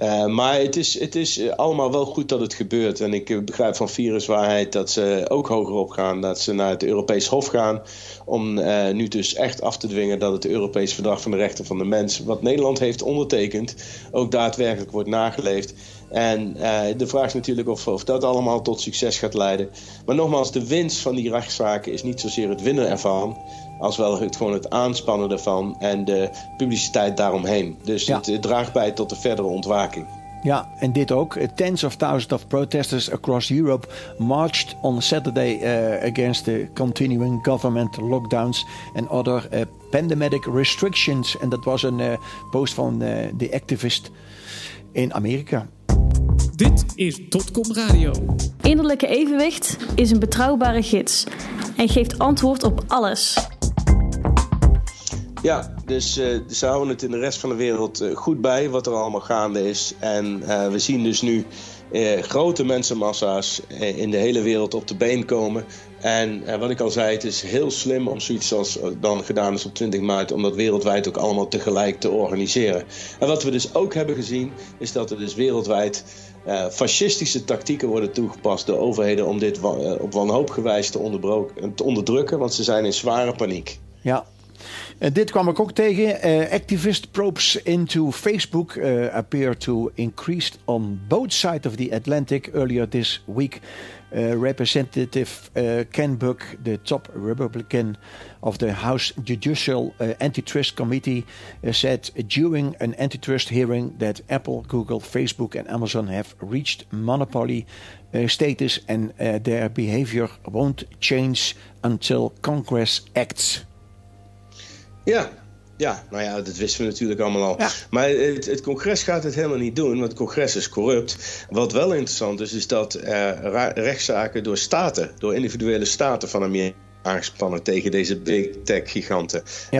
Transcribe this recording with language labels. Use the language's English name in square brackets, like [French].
[Dutch] Maar het is allemaal wel goed dat het gebeurt. En ik begrijp van viruswaarheid dat ze ook hoger op gaan, dat ze naar het Europees Hof gaan om nu dus echt af te dwingen dat het Europees Verdrag van de Rechten van de Mens, wat Nederland heeft ondertekend, ook daadwerkelijk wordt nageleefd. En de vraag is natuurlijk of dat allemaal tot succes gaat leiden. Maar nogmaals, de winst van die rechtszaken is niet zozeer het winnen ervan, als wel gewoon het aanspannen ervan en de publiciteit daaromheen. Dus het draagt bij tot de verdere ontwaking. Ja, en dit ook. [English] Tens of thousands of protesters across Europe marched on Saturday against the continuing government lockdowns and other pandemic restrictions. [Dutch] En dat was een post van de activist in Amerika. Dit is Dotcom Radio. Innerlijke Evenwicht is een betrouwbare gids en geeft antwoord op alles. Ja, dus ze houden het in de rest van de wereld goed bij wat er allemaal gaande is. En we zien dus nu grote mensenmassa's in de hele wereld op de been komen. En wat ik al zei, het is heel slim om zoiets als dan gedaan is op 20 maart, om dat wereldwijd ook allemaal tegelijk te organiseren. En wat we dus ook hebben gezien, is dat er dus wereldwijd fascistische tactieken worden toegepast door overheden om dit op wanhoopige wijze te onderdrukken, want ze zijn in zware paniek. Ja. En dit kwam ik ook tegen. [English] Activist probes into Facebook appear to increase on both sides of the Atlantic earlier this week. Representative Ken Buck, the top Republican of the House Judicial Antitrust Committee, said during an antitrust hearing that Apple, Google, Facebook and Amazon have reached monopoly status and their behavior won't change until Congress acts. [Dutch] Ja, nou ja, dat wisten we natuurlijk allemaal al. Ja. Maar het congres gaat het helemaal niet doen, want het congres is corrupt. Wat wel interessant is, is dat er rechtszaken door staten, door individuele staten van Amerika, aangespannen tegen deze big tech giganten. Ja.